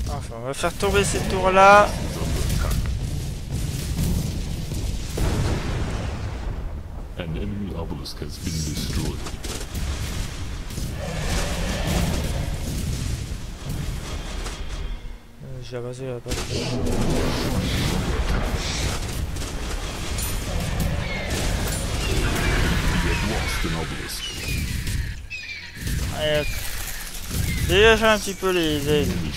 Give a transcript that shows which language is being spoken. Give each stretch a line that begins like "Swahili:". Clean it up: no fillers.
French: On va faire tomber cette tour là.
English: An enemy obelisk has been destroyed.
French: J'ai abattu la porte.
English: You have lost an obelisk.
French: Allez, dégage un petit peu les ailes.